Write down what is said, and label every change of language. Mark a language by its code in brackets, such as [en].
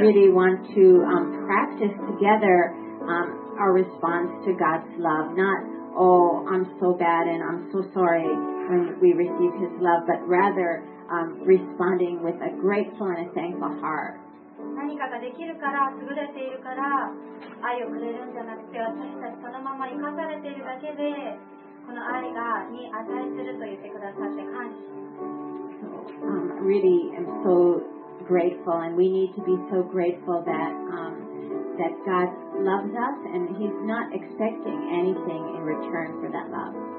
[en] really want to practice together our response to God's love. Not, oh, I'm so bad and I'm so sorry when we receive His love, but rather responding with a grateful and a thankful heart. [ja] 何かができるから優れているから愛をくれるんじゃなくて私たちそのまま生かされているだけでこの愛がに値すると言ってくださって感謝。 [en] So, really am so grateful and we need to be so grateful that, that God loves us and He's not expecting anything in return for that love.